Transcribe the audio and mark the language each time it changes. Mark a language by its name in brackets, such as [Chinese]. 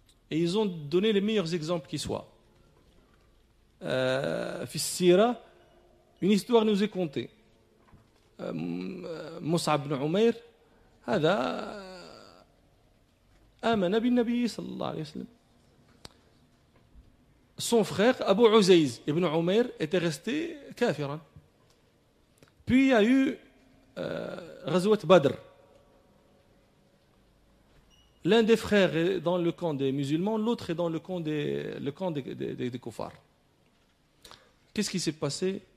[French] Et ils ont donné les meilleurs exemples qui soient. Fils Sira, une histoire nous est contée. [Arabic] Mus'ab ibn Umair, هذا آمن بالنبي صلى الله عليه وسلم. [French] Son frère Abu Uzayz ibn Umair était resté kafir. Puis il y a eu [Arabic] غزوة بدر. [French] L'un des frères est dans le camp des musulmans, l'autre est dans le camp des koufars. Qu'est-ce qui s'est passé?